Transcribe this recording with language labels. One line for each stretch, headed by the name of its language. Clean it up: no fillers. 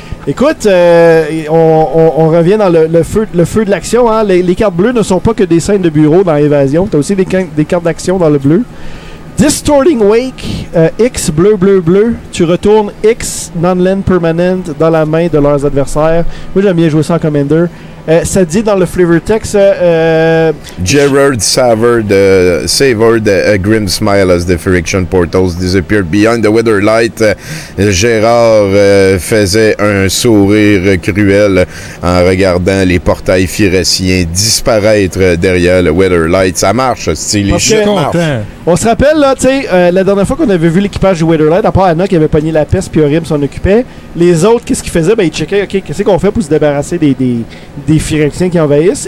French: Écoute, on revient dans le feu de l'action. Hein? Les cartes bleues ne sont pas que des scènes de bureau dans Évasion. Tu as aussi des cartes d'action dans le bleu. Distorting Wake, X, bleu, bleu, bleu. Tu retournes X non-land permanent dans la main de leurs adversaires. Moi, j'aime bien jouer ça en Commander. Ça dit dans le flavor text...
English: Gerard Savard, a grim smile as the friction portals disappeared behind the weather light.
French: Gerard faisait un sourire cruel en regardant les portails phyrexiens disparaître derrière le weather light. Ça marche, style. Je suis content. On se rappelle, là, tu sais, la dernière fois qu'on avait vu l'équipage du Weatherlight, à part Anna qui avait pogné la peste puis Orim s'en occupait, les autres, qu'est-ce qu'ils faisaient? Ben, ils checkaient, OK, qu'est-ce qu'on fait pour se débarrasser des Phyrexiens qui envahissent?